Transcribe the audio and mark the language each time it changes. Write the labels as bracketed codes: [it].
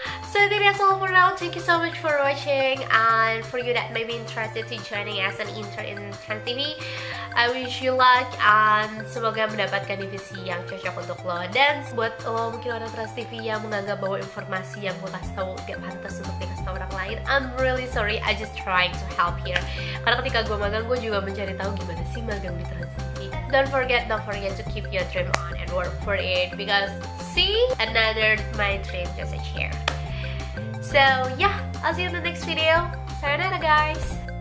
[en] So that is all for now, thank you so much for watching, and for you that may be interested in joining as an intern in TransTV, I wish you luck and [id] semoga mendapatkan divisi yang cocok untuk lo. Dan buat lo mungkin orang TransTV yang menganggap bahwa informasi yang gue kasih tau gak pantas untuk dikasih tau orang lain, [en] I'm really sorry, I just trying to help here. [id] Karena ketika gue magang, gue juga mencari tahu gimana sih magang di TransTV. [en] Don't forget to keep your dream on and work for it, because see, another my dream just achieved. So, yeah, I'll see you in the next video. Sayonara, guys!